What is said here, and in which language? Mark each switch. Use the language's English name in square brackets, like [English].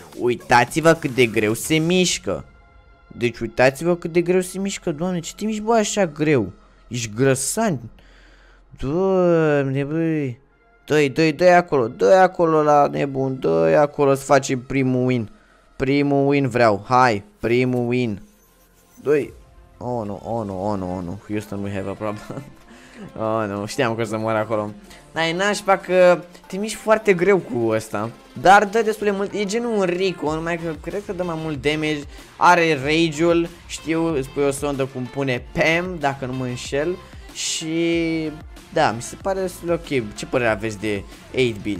[Romanian] Uitați-vă cât de greu se mișcă. Deci uitați-vă cât de greu se mișcă, doamne, ce te miști, bă, așa greu? Ești grăsant. Doamne, băi. Dă-i acolo, dă-i acolo la nebun, dă-i acolo să faci primul win. Primul win vreau, hai, primul win. Dă-i. [English] Oh, nu, Houston, we have a problem. [Romanian] Oh, nu, știam că o să mor acolo. N-ai nașpa că te miști foarte greu cu ăsta. Dar dă destul de mult, e genul un Rico, numai că cred că dă mai mult damage. Are rage-ul, știu, îți pui o sondă cum pune Pam, dacă nu mă înșel. Și da, mi se pare destul de ok. Ce părere aveți de 8-bit?